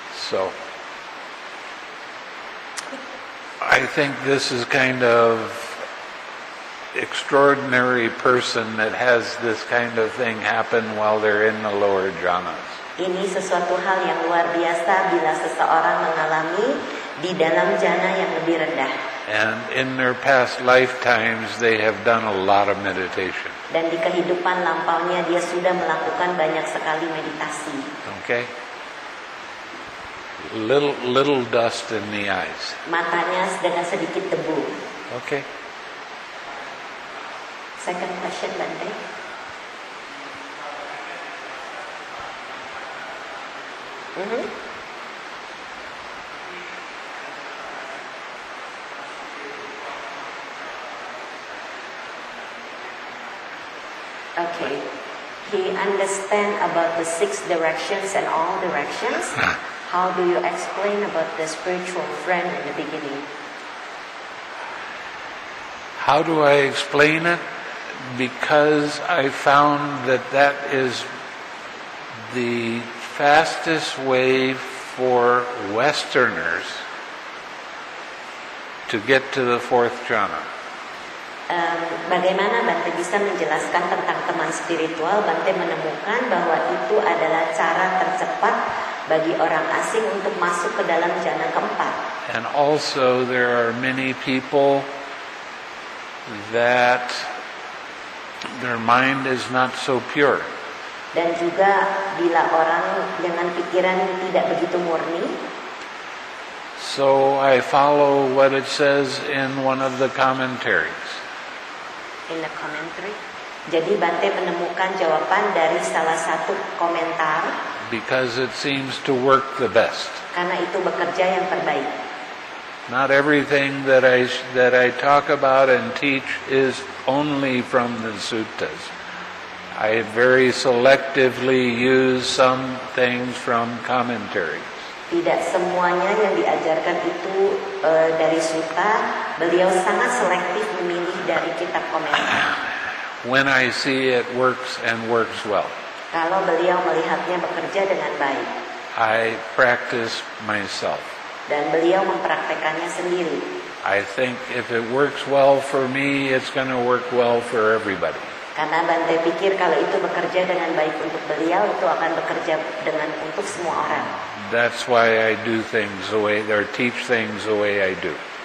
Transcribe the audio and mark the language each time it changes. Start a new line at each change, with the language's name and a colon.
English: So, I think this is kind of extraordinary person that has this kind of thing happen while they're in the lower jhanas.
Indonesian: Ini sesuatu hal yang luar biasa bila seseorang mengalami di dalam jhana yang lebih rendah.
English: And in their past lifetimes, they have done a lot of meditation.
Indonesian: Dan di kehidupan lampaunya, dia sudah melakukan banyak sekali meditasi.
English: Okay. Little dust in the eyes.
Indonesian: Matanya dengan sedikit debu.
English: Okay. Second question, Bante. Okay. He understand about the six directions and all directions. How do you explain about the spiritual friend in the beginning? How do I explain it? Because I found that that is the fastest way for Westerners to get to the fourth jhana.
Indonesian: Bagaimana Bante bisa menjelaskan tentang teman spiritual? Bante menemukan bahwa itu adalah cara tercepat bagi orang asing untuk masuk ke dalam jhana keempat.
English: And also there are many people that their mind is not so pure.
Indonesian: Dan juga bila orang dengan pikiran tidak begitu murni.
English: So I follow what it says in one of the commentaries. In the commentary.
Indonesian: Jadi Bante menemukan jawaban dari salah satu komentar.
English: Because it seems to work the best.
Indonesian: Karena itu bekerja yang terbaik.
English: Not everything that I talk about and teach is only from the suttas. I very selectively use some things from commentaries.
Indonesian: Tidak semuanya yang diajarkan itu dari sutta. Beliau sangat selektif memilih dari kitab komentar.
English: When I see it works and works well.
Indonesian: Kalau beliau melihatnya bekerja dengan baik.
English: I practice myself.
Indonesian: Dan beliau mempraktekannya sendiri.
English: I think if it works well for me, it's going to work well for everybody.
Indonesian: Karena Bante pikir kalau itu bekerja dengan baik untuk beliau, itu akan bekerja dengan untuk semua orang.
English: That's why I do things the way, or teach things the way I do.